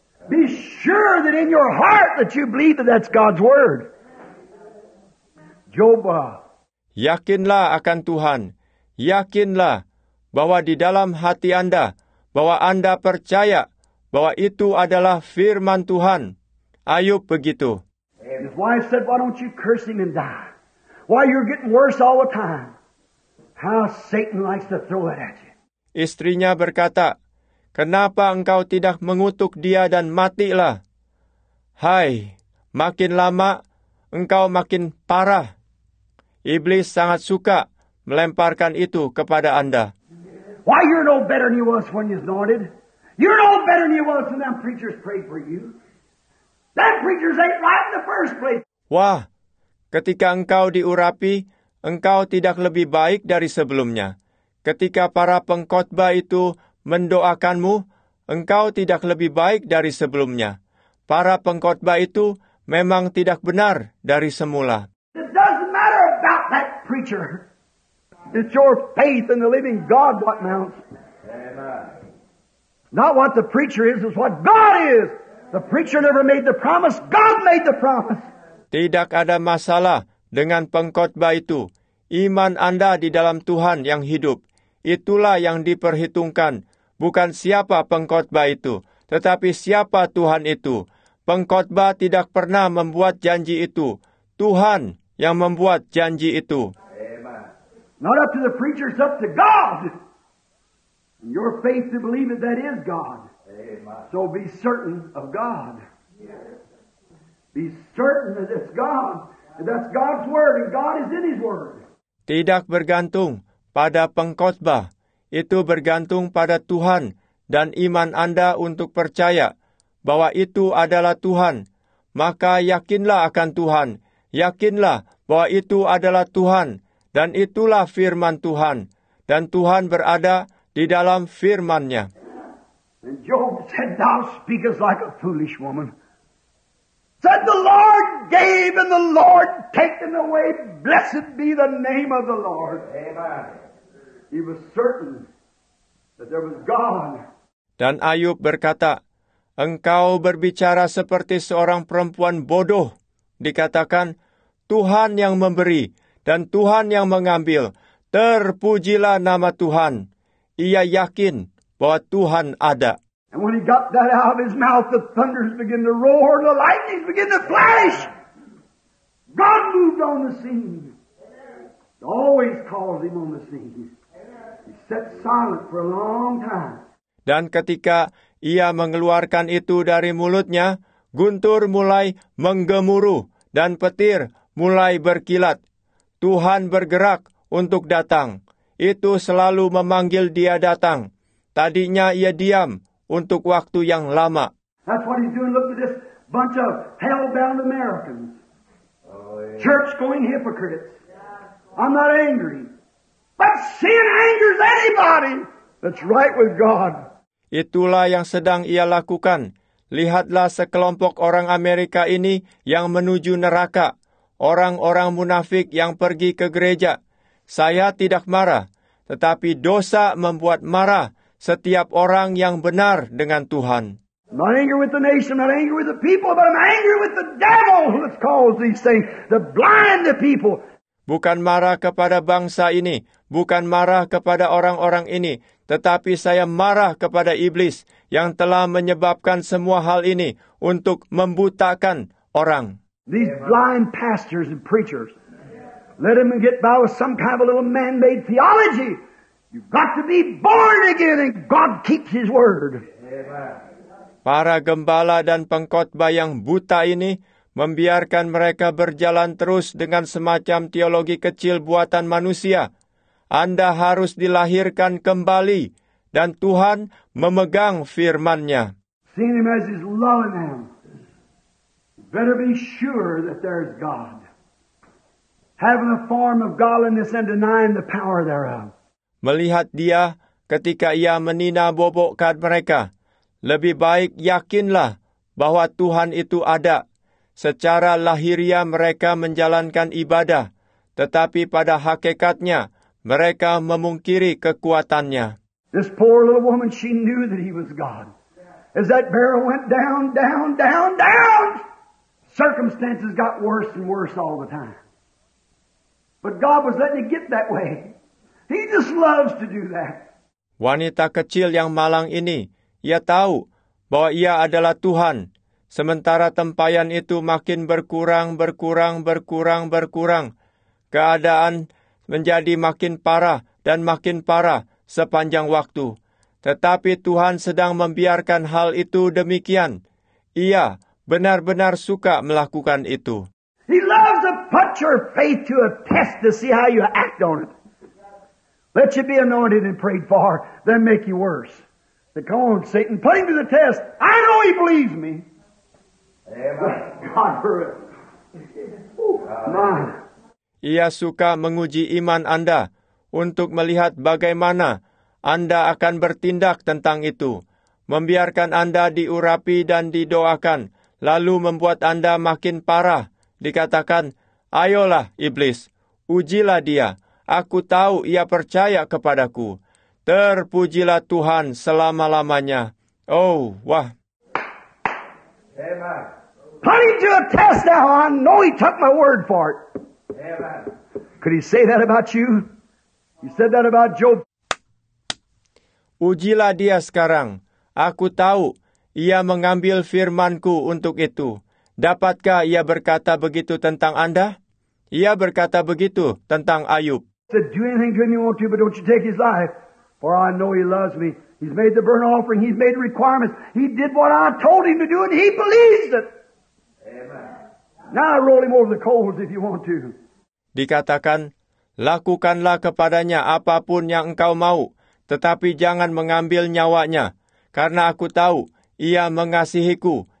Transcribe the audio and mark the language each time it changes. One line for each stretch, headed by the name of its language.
English: Be sure that in your heart that you believe that that's God's word. Job.
Indonesian: Yakinlah akan Tuhan. Yakinlah bahwa di dalam hati Anda, bahwa Anda percaya bahwa itu adalah firman Tuhan. Ayub begitu.
English: His wife said, why don't you curse him and die? Why you're getting worse all the time? How Satan likes to throw that at you.
Indonesian: Istrinya berkata, kenapa engkau tidak mengutuk dia dan matilah? Hai, makin lama engkau makin parah. Iblis sangat suka melemparkan itu kepada Anda.
English: Why you're no better than you was when you started? You're no better than you was when them preachers prayed for you. That preachers ain't right in the first place. Wah.
Indonesian: Ketika engkau diurapi, engkau tidak lebih baik dari sebelumnya. Ketika para pengkhotbah itu mendoakanmu, engkau tidak lebih baik dari sebelumnya. Para pengkhotbah itu memang tidak benar dari semula.
English: It doesn't matter about that preacher. It's your faith in the living God what counts. Amen. Not what the preacher is what God is. The preacher never made the promise. God made the promise.
Indonesian: Tidak ada masalah dengan pengkhotbah itu. Iman Anda di dalam Tuhan yang hidup, itulah yang diperhitungkan. Bukan siapa pengkhotbah itu, tetapi siapa Tuhan itu. Pengkhotbah tidak pernah membuat janji itu. Tuhan yang membuat janji itu.
English: Amen. Not up to the preacher, it's up to God. And your faith to believe that that is God. Amen. So be certain of God. Yes. Be certain that it's God, and that's God's word, and God is in His word.
Indonesian: Tidak bergantung pada pengkhotbah, itu bergantung pada Tuhan dan iman Anda untuk percaya bahwa itu adalah Tuhan. Maka yakinlah akan Tuhan, yakinlah bahwa itu adalah Tuhan, dan itulah firman Tuhan, dan Tuhan berada di di dalam firman-Nya.
English: And Job said, "Thou speakest like a foolish woman." Said, "The Lord gave and the Lord taken away. Blessed be the name of the Lord." Amen. He was certain that there was God.
Indonesian: Dan Ayub berkata, "Engkau berbicara seperti seorang perempuan bodoh." Dikatakan, "Tuhan yang memberi dan Tuhan yang mengambil. Terpujilah nama Tuhan." Ia yakin bahwa Tuhan ada.
English: And when he got that out of his mouth, the thunders begin to roar, the lightnings begin to flash. God moved on the scene. He always calls him on the scene. He sat silent for a long time.
Indonesian: Dan ketika ia mengeluarkan itu dari mulutnya, guntur mulai menggemuruh dan petir mulai berkilat. Tuhan bergerak untuk datang. Itu selalu memanggil dia datang. Tadinya ia diam untuk waktu yang lama.
English: That's what he's doing. Look at this bunch of hell-bound Americans. Church-going hypocrites. I'm not angry. But sin angers anybody that's right with God.
Indonesian: Itulah yang sedang ia lakukan. Lihatlah sekelompok orang Amerika ini yang menuju neraka. Orang-orang munafik yang pergi ke gereja. Saya tidak marah, tetapi dosa membuat marah setiap orang yang benar dengan Tuhan.
English: I'm not angry with the nation, I'm not angry with the people, but I'm angry with the devil who has caused these things, the blind the people.
Indonesian: Bukan marah kepada bangsa ini, bukan marah kepada orang-orang ini, tetapi saya marah kepada iblis yang telah menyebabkan semua hal ini untuk membutakan orang.
English: These blind pastors and preachers, let them get by with some kind of a little man-made theology. You've got to be born again, and God keeps His word.
Indonesian: Para gembala dan pengkhotbah yang buta ini membiarkan mereka berjalan terus dengan semacam teologi kecil buatan manusia. Anda harus dilahirkan kembali, dan Tuhan memegang firman-Nya.
English: Seeing Him as His love in them, better be sure that there is God. Having a form of godliness and denying the power thereof.
Indonesian: Melihat dia ketika ia meninabobokkan mereka, lebih baik yakinlah bahwa Tuhan itu ada. Secara lahiriah mereka menjalankan ibadah, tetapi pada hakikatnya mereka memungkiri kekuatannya.
English: This poor little woman, she knew that he was God. As that barrel went down, down, down, down, circumstances got worse and worse all the time. But God was letting it get that way. He just loves to do that.
Indonesian: Wanita kecil yang malang ini, ia tahu bahwa ia adalah Tuhan. Sementara tempayan itu makin berkurang, berkurang, berkurang, berkurang. Keadaan menjadi makin parah dan makin parah sepanjang waktu. Tetapi Tuhan sedang membiarkan hal itu demikian. Ia benar-benar suka melakukan itu.
English: He loves to put your faith to a test to see how you act on it. Let you be anointed and prayed for, then make you worse. But come on, Satan, put him to the test. I know he believes me. Amen. God for it. Amen.
Indonesian: Ia suka menguji iman Anda untuk melihat bagaimana Anda akan bertindak tentang itu. Membiarkan Anda diurapi dan didoakan, lalu membuat Anda makin parah. Dikatakan, "Ayolah, iblis, ujilah dia. Aku tahu ia percaya kepadaku. Terpujilah Tuhan selama-lamanya." Oh, wah.
English: Amen. Put him to a test now. I know he took my word for it. Amen. Could he say that about you? He said that about Job.
Indonesian: Ujilah dia sekarang. Aku tahu ia mengambil firmanku untuk itu. Dapatkah ia berkata begitu tentang Anda? Ia berkata begitu tentang Ayub.
English: Said, "Do anything to him you want to, but don't you take his life. For I know he loves me. He's made the burnt offering. He's made requirements. He did what I told him to do, and he believes it." Amen. Now roll him over the coals if you want to.
Indonesian: Dikatakan, "Lakukanlah kepadanya apapun yang engkau mau, tetapi jangan mengambil nyawanya, karena aku tahu ia mengasihiku.